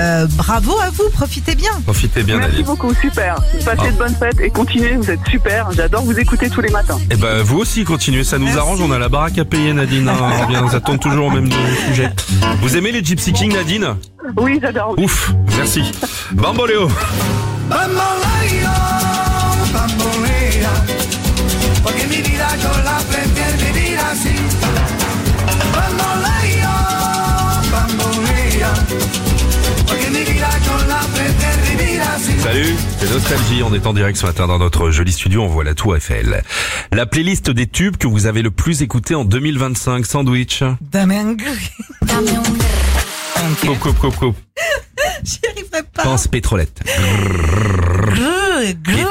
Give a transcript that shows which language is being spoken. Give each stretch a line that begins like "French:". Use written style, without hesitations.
French: Bravo à vous. Profitez bien. Profitez bien, Nadine. Merci beaucoup. Super. Passez de bonnes fêtes et continuez. Vous êtes super. J'adore vous écouter tous les matins. Eh ben, vous aussi, continuez. Ça nous arrange. On a la baraque à payer, Nadine. On vient, on attend toujours au même sujet. Vous aimez les Gypsy Kings, Nadine? Oui, j'adore. Ouf, merci. Bamboléo.
Spanish: Bamboléo, bamboléo, porque mi vida yo la prefiero vivir así. Bamboléo, bamboléo, porque mi vida yo la prefiero vivir así.
French: Salut. C'est Nostalgie, on est en direct ce matin dans notre joli studio, on voit la Tour Eiffel. La playlist des tubes que vous avez le plus écouté en 2025, Sandwich. Damien Gris. Damien Gris. Coup, coup, coup, coup. J'y arriverai pas. Pense pétrolette. Grrr,